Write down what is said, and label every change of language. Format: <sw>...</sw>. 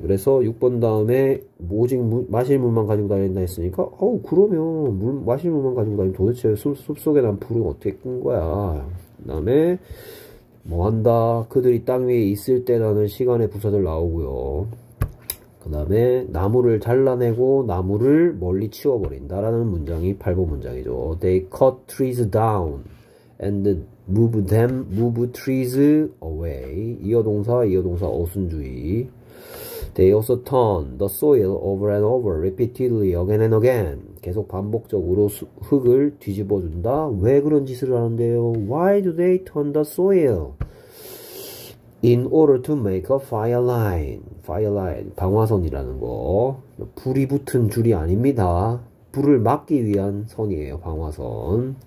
<ko>그래서 6번 다음에 오직 마실 물만 가지고 다닌다 했으니까 어우 그러면 마실 물만 가지고 다니면 도대체 숲속에 난 불은 어떻게 끈 거야? 그다음에 뭐 한다? 그들이 땅 위에 있을 때라는 시간의 부사들 나오고요. 그다음에 나무를 잘라내고 나무를 멀리 치워버린다라는 문장이 8번 문장이죠.</ko> <en>They cut trees down and move trees away.</en> <ko>이어 동사 어순주의.</ko> <en>They also turn the soil over and over, repeatedly, again and again.</en> <ko>계속 반복적으로 흙을 뒤집어준다. 왜 그런 짓을 하는데요?</ko> <en>Why do they turn the soil? In order to make a fire line. Fire line.</en> <ko>방화선이라는 거. 불이 붙은 줄이 아닙니다. 불을 막기 위한 선이에요, 방화선.</ko>